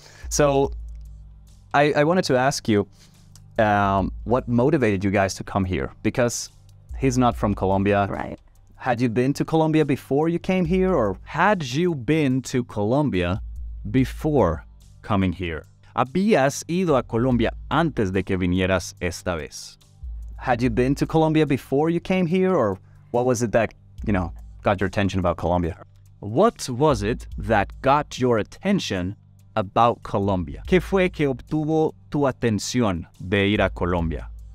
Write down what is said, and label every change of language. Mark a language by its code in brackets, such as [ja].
[en] So I wanted to ask you, what motivated you guys to come here? Because he's not from Colombia. Right. Had you been to Colombia before you came here, or had you been to Colombia before coming here? [es] ¿Habías ido a Colombia antes de que vinieras esta vez? [en] Had you been to Colombia before you came here, or what was it that, you know, got your attention about Colombia? What was it that got your attention about Colombia? [es] ¿Qué fue que obtuvo tu atención de ir a Colombia?